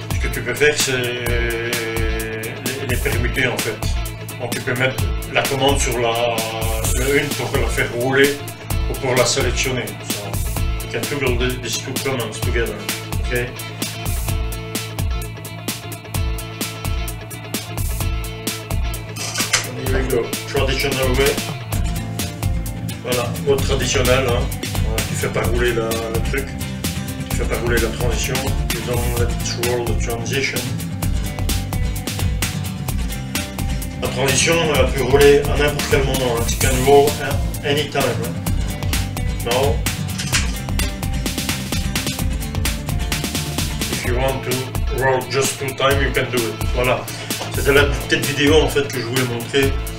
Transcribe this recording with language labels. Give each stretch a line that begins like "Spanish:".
French: Ce que tu peux faire, c'est les permuter en fait. Donc, tu peux mettre la commande sur la une pour la faire rouler. Pour la sélectionner.
English: So, we can toggle these two commands together. Okay. And here we go. Traditional way.
French: Voilà, au traditionnel. Hein. Voilà, tu fais pas rouler le truc. Tu fais pas rouler la transition.
English: You don't let it roll the transition.
French: La transition, elle peut rouler à n'importe quel moment.
English: Hein. You can roll at any time. Hein. Now, if you want to roll just two times, you can do it.
French: Voilà, c'était la petite vidéo en fait que je voulais montrer.